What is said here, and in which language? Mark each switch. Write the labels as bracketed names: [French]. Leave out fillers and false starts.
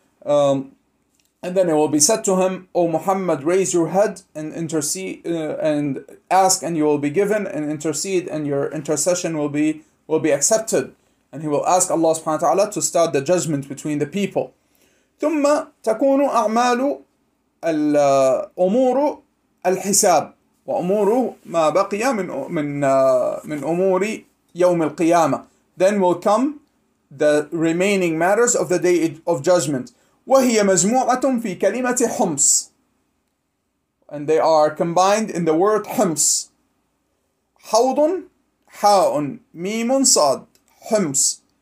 [English] And then it will be said to him, O Muhammad, raise your head and intercede and ask and you will be given, and intercede and your intercession will be accepted. And he will ask Allah subhanahu wa ta'ala to start the judgment between the people. [Arabic] ثم تكون أعمال الأمور الحساب وأمور ما بقي من أمور يوم القيامة. [English] Then will come the remaining matters of the day of judgment. [Arabic] وهي مجموعة في كلمة حمص. [English] And they are combined in the word حمص. [Arabic] حوض حاء ميم صاد حمص.